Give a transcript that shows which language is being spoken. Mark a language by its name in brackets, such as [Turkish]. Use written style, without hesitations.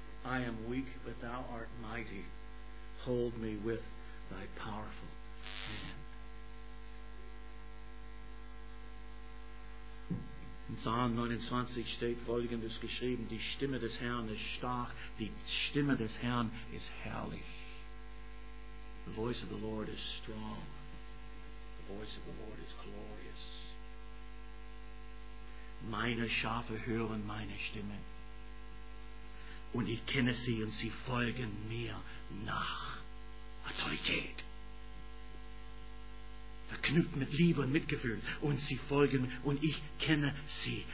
[English] I am weak, but thou art mighty. Hold me with thy powerful hand. [German] In Psalm 29 steht Folgendes geschrieben: Die Stimme des Herrn ist stark, die Stimme des Herrn ist herrlich. [English] The voice of the Lord is strong, the voice of the Lord is glorious. [German] Meine Schafe hören meine Stimme, und ich kenne sie, und sie folgen mir nach. Autorität. Verknüpft mit Liebe und Mitgefühl. Und sie folgen, und ich kenne sie.